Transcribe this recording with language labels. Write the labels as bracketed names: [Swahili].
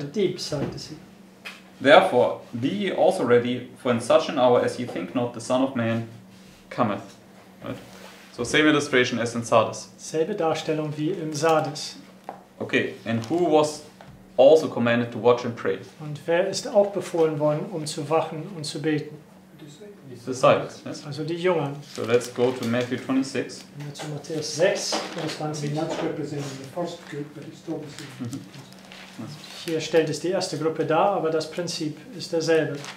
[English] The thief, [German] sagt sie. [English] Therefore, be ye also ready, for in such an hour as ye think not, the Son of Man cometh. Right? So, same illustration as in Sardis. [German] Selbe Darstellung wie in Sardis. [English] Okay, and who was also commanded to watch and pray? [German] Und wer ist auch befohlen worden, zu wachen und zu beten? [English] The disciples. Yes? [German] Also die Jungen. [English] So let's go to Matthew 26. [German] Zu Matthäus 6, Vers 20. [English] Not representing the first group, but it's still the same. [German] Hier stellt es die erste Gruppe dar, aber das Prinzip ist derselbe.